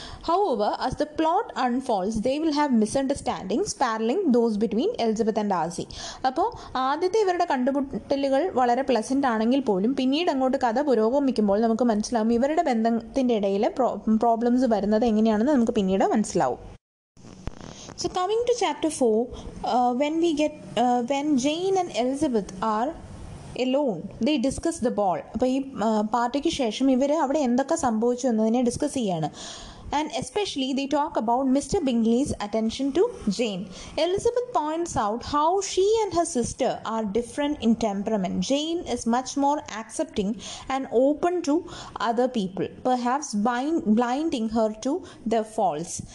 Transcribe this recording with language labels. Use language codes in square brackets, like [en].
[en] How over as the plot unfolds they will have misunderstandings paralleling those between Elizabeth and Darcy. [ml] അപ്പോൾ ആദ്യത്തെ ഇവരുടെ കണ്ടുമുട്ടലുകൾ വളരെ pleasant ആണെങ്കിൽ പോലും പിന്നീട് അങ്ങോട്ട് കഥ പുരോഗമിക്കുമ്പോൾ നമുക്ക് മനസ്സിലാവും ഇവരുടെ ബന്ധത്തിൻ്റെ ഇടയിൽ പ്രോബ്ലംസ് വരുന്നത് എങ്ങനെയാണെന്ന് നമുക്ക് പിന്നീട് മനസ്സിലാവും. [en] So coming to chapter 4, when Jane and Elizabeth are alone, they discuss the ball. [ml] അപ്പോൾ ഈ പാർട്ടിക്ക് ശേഷം ഇവർ അവിടെ എന്തൊക്കെ സംഭവിച്ചു എന്നതിനെ ഡിസ്കസ് ചെയ്യാണ്. [en] And especially they talk about Mr. Bingley's attention to Jane. Elizabeth points out how she and her sister are different in temperament. Jane is much more accepting and open to other people, perhaps blinding her to their faults.